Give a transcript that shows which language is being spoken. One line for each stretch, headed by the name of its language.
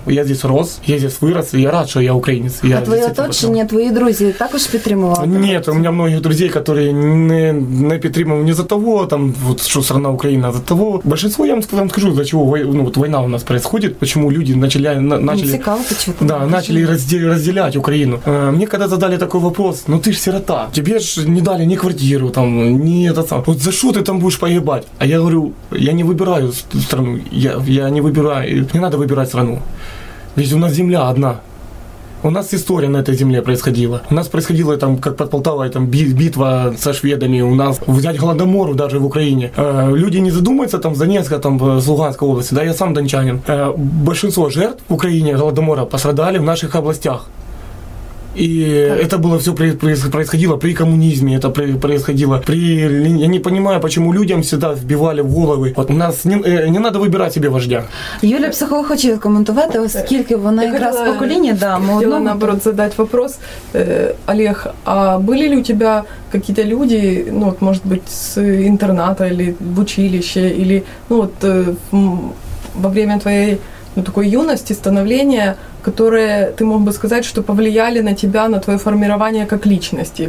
Russian: Я здесь рос, я здесь вырос, и я рад, что я украинец. А твои оточення, твои друзья також підтримували? Нет, у меня многих друзей, которые не підтримували не за того, там, вот, что страна Украина, а за того. Большинство, я вам скажу, за чего война у нас происходит, почему люди начали
Ukrainian: цікаво,
Russian: почему-то, да, начали разделять Украину. Мне когда задали такой вопрос, ну ты же сирота.
Ukrainian: Тебе ж не дали ні квартиру, там, ні це саме. От за що ти там будеш погибати? А я говорю, я не вибираю страну, я не вибираю, не треба вибирати страну. Ведь у нас земля одна. У нас історія на цій землі відбувалася. У нас відбувалася, там, як під Полтавою, там, битва зі шведами, у нас взяти Голодомор навіть в Україні. Люди не задумуються, там, з Донецька, там, з Луганської області, да, я сам дончанин.
Russian: Большинство жертв в Україні Голодомора пострадали в наших областях. И так. Это было все происходило при коммунизме, это происходило при... Я не понимаю, почему людям всегда вбивали в головы. Вот у нас не надо выбирать себе вождя.
Ukrainian: Юля, психолог,
Russian: хочу комментировать,
Ukrainian: оскільки вона якраз покоління, да,
Russian: мы одному... Хотела, наоборот, задать вопрос. Олег, а были ли у тебя какие-то люди, ну, вот, может быть, с интерната или в училище, или, ну, вот, во время твоей, ну, такой юности, становления, которые ты мог бы сказать, что повлияли на тебя, на твое формирование как личности?